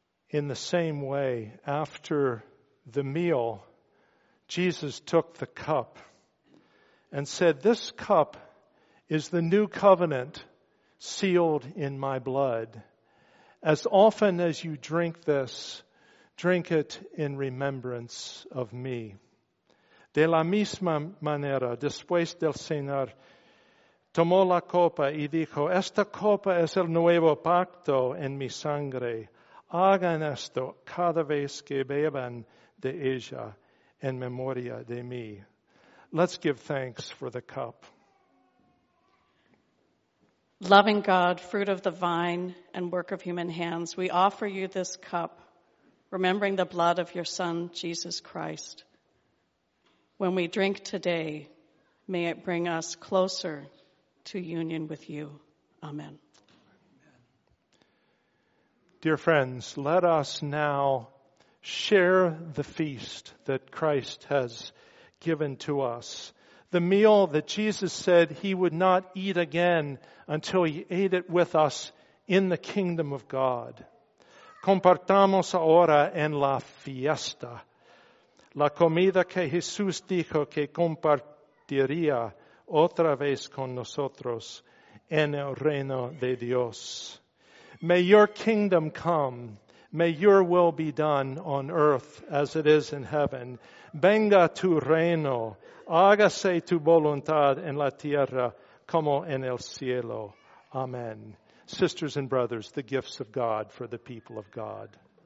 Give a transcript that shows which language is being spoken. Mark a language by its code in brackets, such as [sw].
[en] In the same way, after the meal, Jesus took the cup and said, "This cup is the new covenant sealed in my blood. As often as you drink this, drink it in remembrance of me." [es] De la misma manera, después del cenar, tomó la copa y dijo, "Esta copa es el nuevo pacto en mi sangre. Hagan esto cada vez que beban de ella en memoria de mí." [en] Let's give thanks for the cup. Loving God, fruit of the vine and work of human hands, we offer you this cup, remembering the blood of your Son, Jesus Christ. When we drink today, may it bring us closer to union with you. Amen. Dear friends, let us now share the feast that Christ has given to us. The meal that Jesus said he would not eat again until he ate it with us in the kingdom of God. [es] Compartamos ahora en la fiesta la comida que Jesús dijo que compartiría otra vez con nosotros en el reino de Dios. [en] May your kingdom come. May your will be done on earth as it is in heaven. [es] Venga tu reino. Hágase tu voluntad en la tierra como en el cielo. [en] Amen. Sisters and brothers, the gifts of God for the people of God.